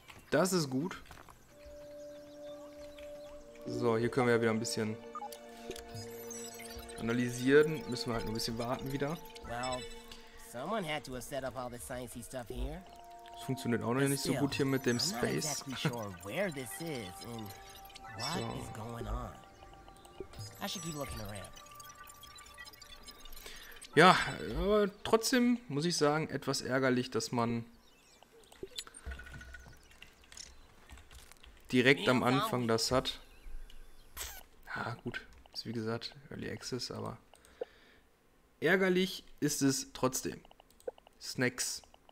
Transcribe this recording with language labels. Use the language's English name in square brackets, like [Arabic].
[German] Das ist gut. So, hier können wir ja wieder ein bisschen analysieren. Müssen wir halt nur ein bisschen warten wieder. [English] Well, someone had to have set up all the sciencey stuff here. [German] Das funktioniert auch noch nicht so gut hier mit dem Space. [English] I'm not exactly sure where this is and what is going on. I should keep looking around. [German] Ja, aber trotzdem muss ich sagen, etwas ärgerlich, dass man direkt am Anfang das hat. Ja, gut. Ist wie gesagt Early Access, aber ärgerlich ist es trotzdem. Snacks.